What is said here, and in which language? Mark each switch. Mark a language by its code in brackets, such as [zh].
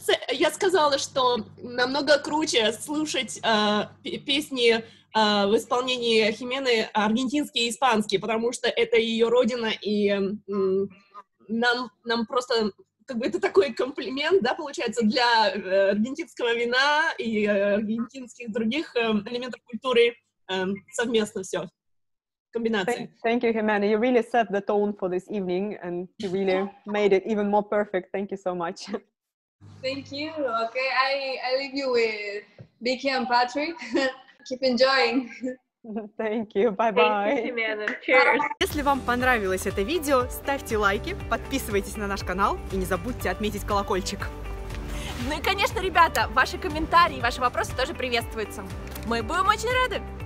[ru] Я сказала, что намного круче слушать песни в исполнении Химены аргентинские и испанские, потому что это ее родина, и... Нам просто, как бы, это такой комплимент, да, получается, для аргентинского вина и аргентинских других элементов культуры совместно все. комбинации. [en] Thank you, Ximena. You really set the tone for this evening, and you really made it even more perfect. Thank you so much. Thank you. Okay, I leave you with Vicky and Patrick. Keep enjoying. Thank you. Bye-bye. Thank you, Ximena. Cheers. [ru] Если вам понравилось это видео, ставьте лайки, подписывайтесь на наш канал и не забудьте отметить колокольчик. Ну и, конечно, ребята, ваши комментарии, ваши вопросы тоже приветствуются. Мы будем очень рады.